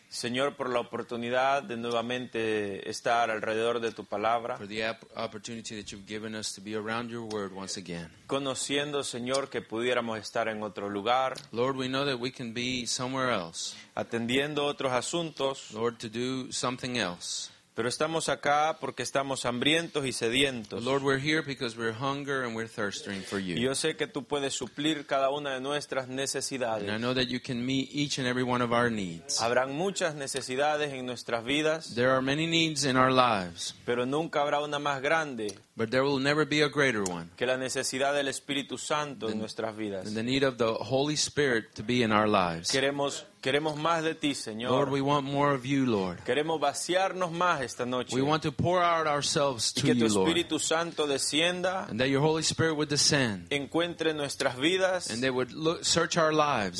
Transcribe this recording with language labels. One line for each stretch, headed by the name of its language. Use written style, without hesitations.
Spanish: Señor, por la oportunidad de nuevamente estar alrededor de tu palabra.
English: For the opportunity that you've given us to be around your word once again.
Spanish: Conociendo, Señor, que pudiéramos estar en otro lugar.
English: Lord, we know that we can be somewhere else.
Spanish: Atendiendo otros asuntos.
English: Lord, to do something else.
Spanish: Pero estamos acá porque estamos hambrientos y sedientos.
English: Lord, we're here because we're hungry and we're thirsting for you.
Spanish: Y yo sé que tú puedes suplir cada una de nuestras necesidades.
English: And I know that you can meet each and every one of our needs.
Spanish: Habrán muchas necesidades en nuestras vidas.
English: There are many needs in our lives.
Spanish: Pero nunca habrá una más grande.
English: But there will never be a greater one.
Spanish: Que la necesidad del Espíritu Santo en nuestras vidas.
English: The need of the Holy Spirit to be in our lives.
Spanish: Queremos más de ti, Señor.
English: Lord, we want more of you, Lord.
Spanish: Queremos vaciarnos más esta noche.
English: We want to pour out ourselves to you, Lord.
Spanish: Y que tu Espíritu Santo descienda.
English: And that your Holy Spirit would descend.
Spanish: Encuentre nuestras vidas.
English: And they would search our lives.